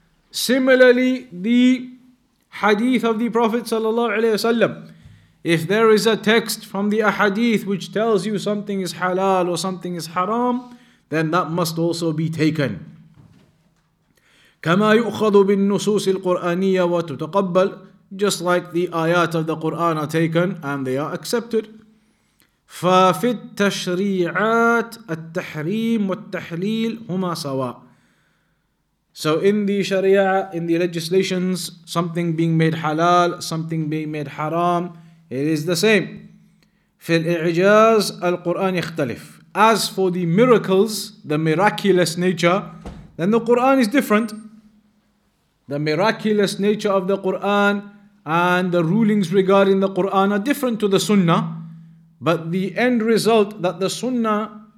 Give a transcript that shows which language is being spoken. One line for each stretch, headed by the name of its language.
English: Similarly, the hadith of the Prophet sallallahu alayhi wa sallam, if there is a text from the ahadith which tells you something is halal or something is haram, then that must also be taken.
Arabic: كَمَا يُؤْخَذُ بِالنُّصُوصِ الْقُرْآنِيَّةِ وَتُتَقَبَّلْ.
English: Just like the ayat of the Qur'an are taken and they are accepted.
Arabic: فَفِي التَّشْرِيعَاتِ التَّحْرِيمُ وَالتَّحْلِيلُ هُمَا سَوَاءٌ.
English: So in the sharia, in the legislations, something being made halal, something being made haram, it is the same.
Arabic: في الإعجاز القرآن يختلف.
English: As for the miracles, the miraculous nature, then the Quran is different. The miraculous nature of the Quran and the rulings regarding the Quran are different to the Sunnah. But the end result that the Sunnah